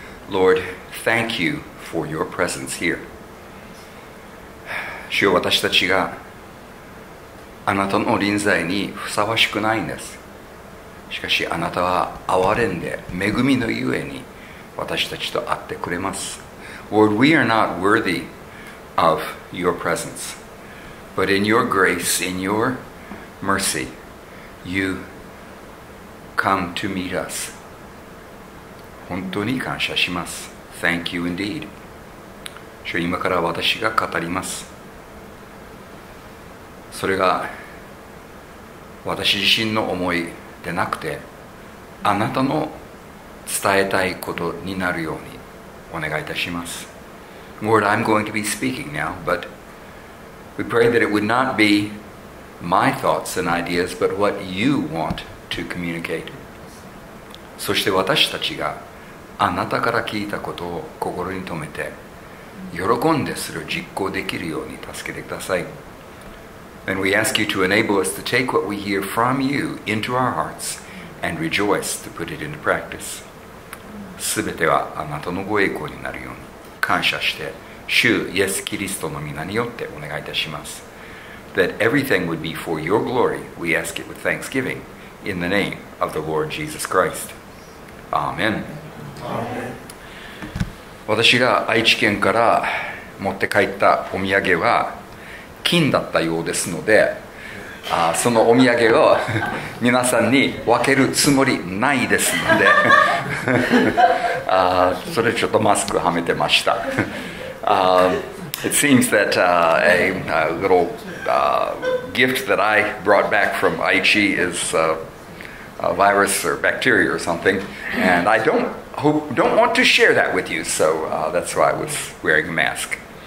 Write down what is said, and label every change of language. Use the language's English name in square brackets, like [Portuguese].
[English] Lord, thank you for your presence here. [Japanese] 主よ、私たちがあなたの臨在にふさわしくないんです。しかしあなたは憐れんで恵みのゆえに私たちと会ってくれます。 [English] Lord, we are not worthy of your presence. But in your grace, in your mercy, you come to meet us. [Japanese] 本当に感謝します。 [English] Thank you indeed. [Japanese] 主よ、今から私が語ります。それが私自身の思いでなくて、あなたの伝えたいことになるようにお願いいたします。 [English] Lord, I'm going to be speaking now, but... We pray that it would not be my thoughts and ideas, but what you want to communicate. [Japanese] そして私たちがあなたから聞いたことを心に留めて喜んでそれを実行できるように助けてください。 [English] And we ask you to enable us to take what we hear from you into our hearts and rejoice to put it into practice. [Japanese] すべてはあなたのご栄光になるように感謝して主イエスキリストの皆によってお願いいたします。 [English] That everything would be for your glory, we ask it with thanksgiving, in the name of the Lord Jesus Christ. Amen. Amen. [Japanese] 私が愛知県から持って帰ったお土産は金だったようですので、そのお土産を皆さんに分けるつもりないですので、それちょっとマスクはめてました。 [English] It seems that a little gift that I brought back from Aichi is a virus or bacteria or something, and I don't want to share that with you, so that's why I was wearing a mask.